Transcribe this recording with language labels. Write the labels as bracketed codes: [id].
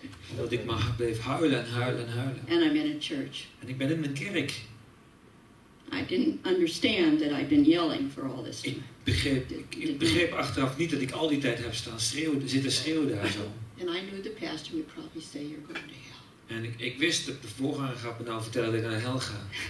[nl] Omdat ik maar bleef huilen en huilen en huilen. [en] And I'm in a church. [nl] En ik ben in een kerk. [en] I didn't understand that I'd been yelling for all this time. [nl] Ik begreep achteraf niet dat ik al die tijd heb staan schreeuwen, zitten schreeuwen daar zo. [en] And I knew the pastor would probably say you're going to hell. [nl] En ik wist dat de voorganger gaat me nou vertellen dat ik naar de hel ga.